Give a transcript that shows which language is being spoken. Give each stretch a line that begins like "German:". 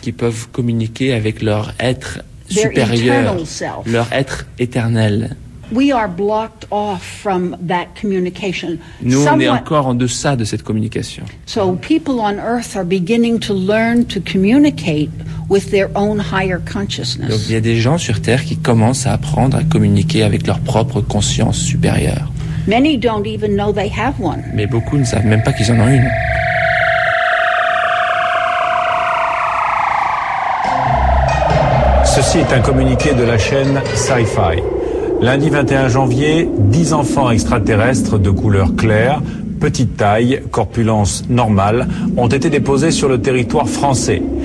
French: Qui peuvent communiquer avec leur être supérieur, leur être éternel.
English: We are blocked off from that communication.
French: Nous, on est encore en deçà de cette communication.
English: So people on Earth are beginning to learn to communicate with their own higher consciousness.
French: Donc, il y a des gens sur Terre qui commencent à apprendre à communiquer avec leur propre conscience supérieure.
English: Many don't even know they have one.
French: Mais beaucoup ne savent même pas qu'ils en ont une. Ceci est un communiqué de la chaîne Sci-Fi. Lundi 21 janvier, 10 enfants extraterrestres de couleur claire, petite taille, corpulence normale, ont été déposés sur le territoire français.